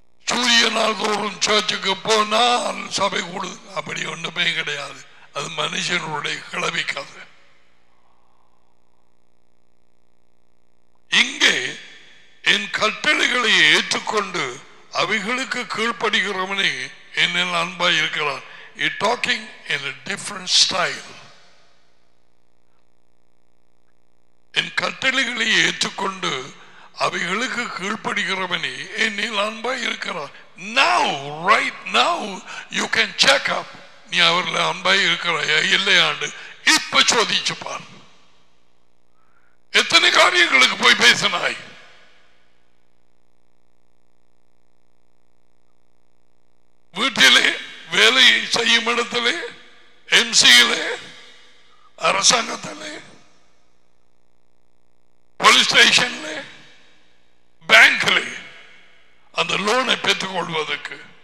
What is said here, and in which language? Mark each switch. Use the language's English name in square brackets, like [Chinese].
[Tamil] சூரியனால் தோறும் சர்ச்சுக்கு போனால் சபை கூடு, அப்படி ஒன்றுமே கிடையாது. அது மனுஷனுடைய கிளவிக்காது. இங்கே என் கட்டளைகளை ஏற்றுக்கொண்டு அவைகளுக்கு கீழ்ப்படுகிறவனே என்னில் அன்பாயிருக்கிறான். [English] He talking in a different style. [Tamil] என் கட்டளைகளை ஏற்றுக்கொண்டு அவைகளுக்கு கீழ்ப்படுகிறவனே என்னில் அன்பாய் இருக்கிறான். [English] Now, right now, you can check up. [Tamil] நீ அவர்கள் அன்பாய் இருக்கிறாயா இல்லையாண்டு இப்ப சோதிச்சுப்பார். எத்தனை காரியங்களுக்கு போய் பேசினாய்? வீட்டிலே, வேலை செய்யும் இடத்திலே, எம்சியிலே, அரசாங்கத்திலே, போலீஸ் ஸ்டேஷன்ல, பேங்க்ல, அந்த லோனை பெற்றுக் கொள்வதற்கு.